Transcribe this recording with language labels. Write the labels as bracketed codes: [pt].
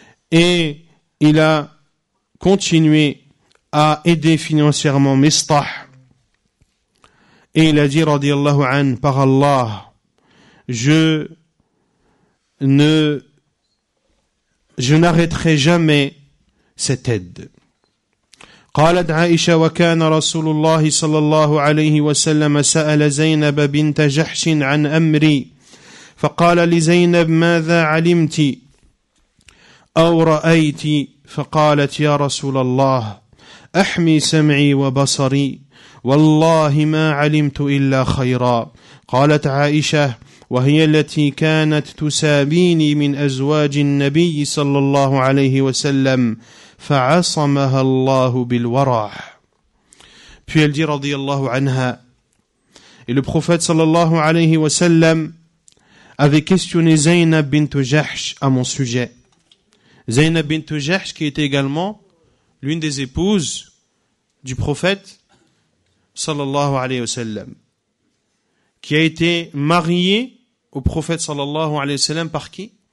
[fr] Et il a continué à aider financièrement Mistah. Et il a dit, radiyallahu anhu, par Allah, je n'arrêterai jamais cette aide. [ar] قالت عائشة: وكان رسول الله صلى الله عليه وسلم سأل زينب بنت جحش عن أمري فقال لزينب: ماذا علمت أو رأيت؟ فقالت: يا رسول الله، أحمي سمعي وبصري، والله ما علمت إلا خيرا. قالت عائشة: وهي التي كانت تسابيني من أزواج النبي صلى الله عليه وسلم فعصمها الله بالورع. [fr] Puis elle dit رضي الله عنها: et le prophète صلى الله عليه وسلم avait questionné Zainab bint Jahsh à mon sujet. Zainab bint Jahsh, qui était également l'une des épouses du prophète sallallahu alayhi wa sallam, qui a été mariée au prophète sallallahu alayhi wa sallam par qui?